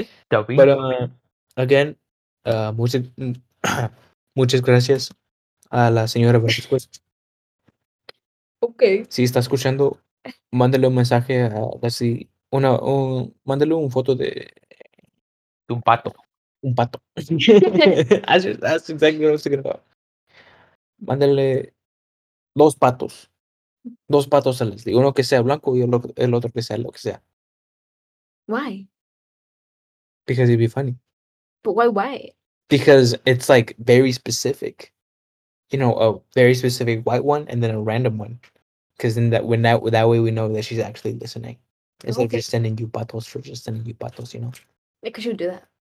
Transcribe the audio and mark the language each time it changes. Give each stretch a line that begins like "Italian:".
English: But again,
Spanish: muchas gracias a la señora Vázquez.
English: Okay.
Spanish: Si está escuchando, mándale un mensaje a la si. Mándale un foto de un pato. Un pato.
English: that's exactly what I was thinking about.
Spanish: Mándale dos patos. Dos patos a Leslie. Uno que sea blanco y el otro que sea lo que sea.
English: Why? Because it'd be funny. But why? Because it's like very specific. You know, a very specific white one and then a random one. Because then that way we know that she's actually listening. Instead of just sending you patos for just sending you patos, you know? Yeah, because she would do that.